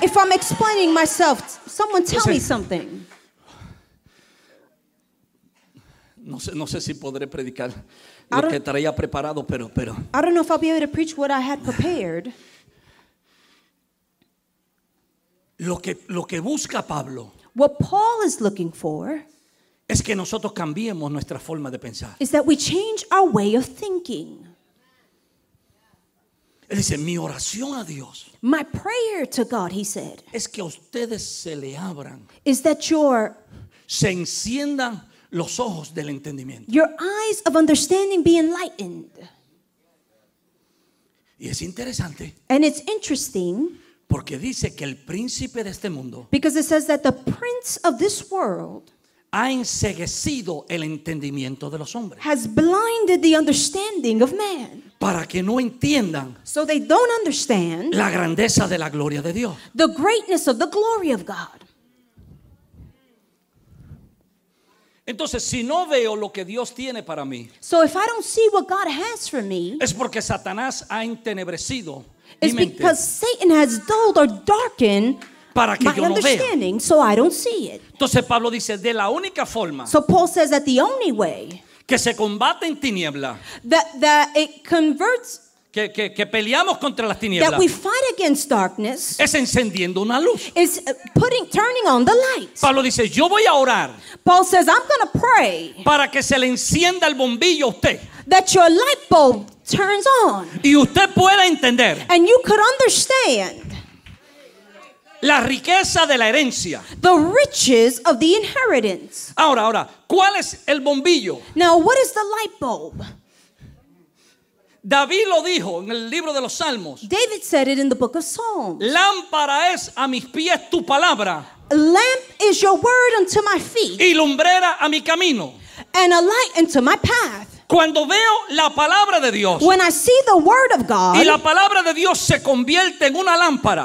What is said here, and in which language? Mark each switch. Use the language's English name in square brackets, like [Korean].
[English] If I'm explaining myself, someone tell me something. [Spanish] No sé si podré predicar lo que traía preparado, pero [English] I don't know if I'll be able to preach what I had prepared. [Spanish] Lo que busca Pablo. [English] What Paul is looking for. [Spanish] Es que nosotros cambiemos nuestra forma de pensar. [English] Is that we change our way of thinking. [Spanish] Él dice, mi oración a Dios. [English] My prayer to God, he said. [Spanish] Es que ustedes se le abran. [English] Is that your [Spanish] se enciendan los ojos del entendimiento. [English] Your eyes of understanding be enlightened. [Spanish] Y es interesante. [English] And it's interesting. [Spanish] Porque dice que el príncipe de este mundo. [English] Because it says that the prince of this world. [Spanish] Ha enceguecido el entendimiento de los hombres. [English] Has blinded the understanding of man. [Spanish] Para que no entiendan. [English] So they don't understand. [Spanish] La grandeza de la gloria de Dios. [English] The greatness of the glory of God. [Spanish] Entonces, si no veo lo que Dios tiene para mí, [English] so if I don't see what God has for me, [Spanish] es porque Satanás ha entenebrecido mi mente. [English] It's because Satan has dulled or darkened [Spanish] para que [English] my [Spanish] yo [English] understanding, [Spanish] no vea. [English] So I don't see it. [Spanish] Entonces Pablo dice, de la única forma, [English] so Paul says that the only way [Spanish] que se combate en tiniebla, [English] that it converts, [Spanish] que peleamos contra las tinieblas, [English] that we fight against darkness, [Spanish] es encendiendo una luz, [English] is putting, turning on the light. [Spanish] Pablo dice, yo voy a orar, [English] Paul says, I'm going to pray, [Spanish] para que se le encienda el bombillo a usted, [English] that your light bulb turns on, [Spanish] y usted pueda entender, [English] and you could understand, [Spanish] la riqueza de la herencia, [English] the riches of the inheritance. [Spanish] Ahora, ¿cuál es el bombillo? [English] Now, what is the light bulb? [Spanish] David lo dijo en el libro de los Salmos. [English] David said it in the book of Psalms. [Spanish] Lámpara es a mis pies tu palabra. [English] Lamp is your word unto my feet. [Spanish] Y lumbrera a mi camino. [English] And a light unto my path. [Spanish] Cuando veo la palabra de Dios. [English] When I see the word of God. [Spanish] Y la palabra de Dios se convierte en una lámpara.